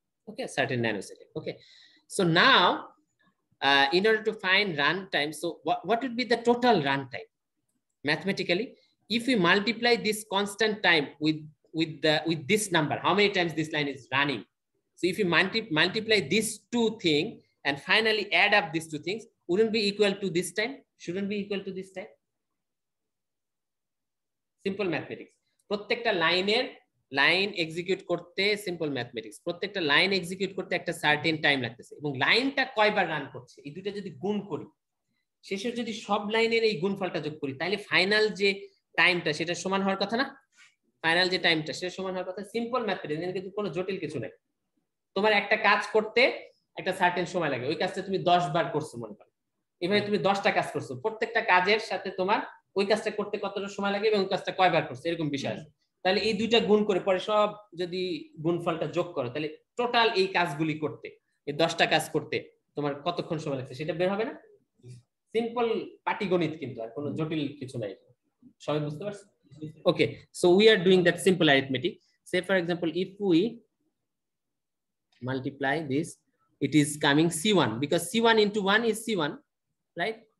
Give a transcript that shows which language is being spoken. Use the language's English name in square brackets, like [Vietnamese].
[English] Okay certain nano second okay so now in order to find run time so what would be the total run time mathematically If we multiply this constant time with this number, how many times this line is running? So if you multiply these two things and finally add up these two things, wouldn't be equal to this time? Shouldn't be equal to this time? Simple mathematics. [Bangla] Prottekta line execute korte simple mathematics. Prottekta line execute korte ekta certain time lagte chhe. Ebong line ta koybar run korche. Ei duta jodi gun kori. Sheshe jodi sob line ei gunfal ta jog kori. Tahole final je টাইমটা সেটা সমান হওয়ার কথা না final যে টাইমটা সেটা সমান হওয়ার কথা সিম্পল ম্যাথমেটিক্স এখানে কিন্তু কোনো জটিল কিছু নাই তোমার একটা কাজ করতে একটা সার্টেন সময় লাগে ওই কাজটা তুমি 10 বার করছো মনে করো এভাবে তুমি 10টা কাজ করছো প্রত্যেকটা কাজের সাথে তোমার ওই কাজটা করতে কতটা সময় লাগে এবং ওই কাজটা কয়বার করছো এরকম বিষয় আছে তাহলে এই দুইটা গুণ করে পরে সব যদি গুণফলটা যোগ করো তাহলে টোটাল এই কাজগুলি করতে এই 10টা কাজ করতে তোমার কতক্ষণ সময় লাগছে সেটা বের হবে না সিম্পল পাটিগণিত কিন্তু আর কোনো জটিল কিছু নাই [English] Shall we move towards? Okay, so we are doing that simple arithmetic. Say, for example, if we multiply this, it is coming C1 because C1 into 1 is C1, right?